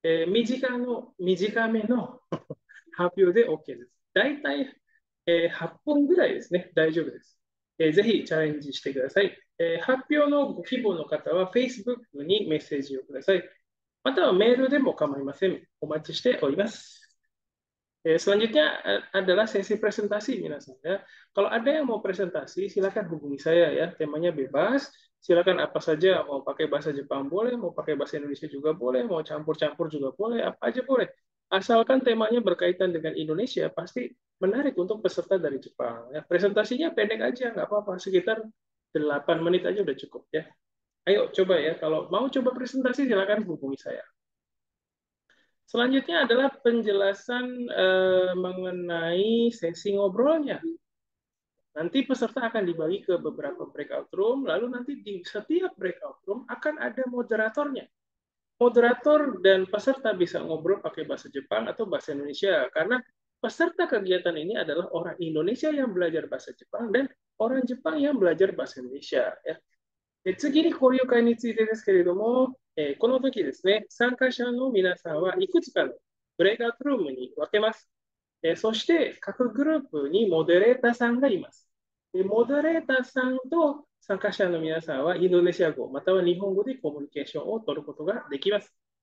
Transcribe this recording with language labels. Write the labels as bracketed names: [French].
[Japanese] 短めの発表で OK です。だいたい8本ぐらいですね。大丈夫です。ぜひチャレンジしてください。発表のご希望の方は Facebook にメッセージをください。またはメールでも構いません。お待ちしております。 [Indonesian] Ya, selanjutnya adalah sesi presentasi, Minasan. Ya. Kalau ada yang mau presentasi, silakan hubungi saya ya. Temanya bebas, silakan apa saja. Mau pakai bahasa Jepang boleh, mau pakai bahasa Indonesia juga boleh, mau campur-campur juga boleh, apa aja boleh. Asalkan temanya berkaitan dengan Indonesia, pasti menarik untuk peserta dari Jepang. Ya, presentasinya pendek aja, nggak apa-apa. Sekitar 8 menit aja udah cukup ya. Ayo coba ya, kalau mau coba presentasi silakan hubungi saya. Selanjutnya adalah penjelasan mengenai sesi ngobrolnya. Nanti peserta akan dibagi ke beberapa breakout room, lalu nanti di setiap breakout room akan ada moderatornya. Moderator dan peserta bisa ngobrol pakai bahasa Jepang atau bahasa Indonesia, karena peserta kegiatan ini adalah orang Indonesia yang belajar bahasa Jepang dan orang Jepang yang belajar bahasa Indonesia. Ya. [Japanese] この時ですね、参加者の皆さんはいくつかのブレイクアウトルームに分けます。そして各グループにモデレーターさんがいます。モデレーターさんと参加者の皆さんはインドネシア語または日本語でコミュニケーションを取ることができます。